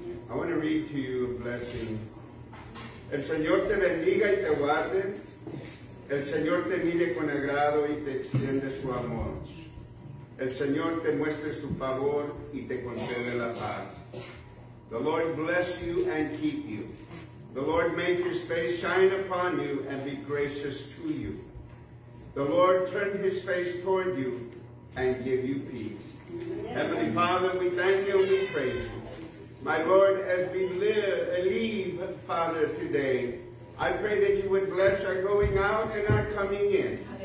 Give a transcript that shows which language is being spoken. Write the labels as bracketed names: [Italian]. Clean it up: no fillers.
[English] I want to read to you a blessing. [Spanish] El Señor te bendiga y te guarde. El Señor te mire con agrado y te extiende su amor. El Señor te muestre su favor y te concede la paz. [English] The Lord bless you and keep you. The Lord make his face shine upon you and be gracious to you. The Lord turn his face toward you and give you peace. Heavenly Father, we thank you and we praise you. My Lord, as we leave, Father, today, I pray that you would bless our going out and our coming in.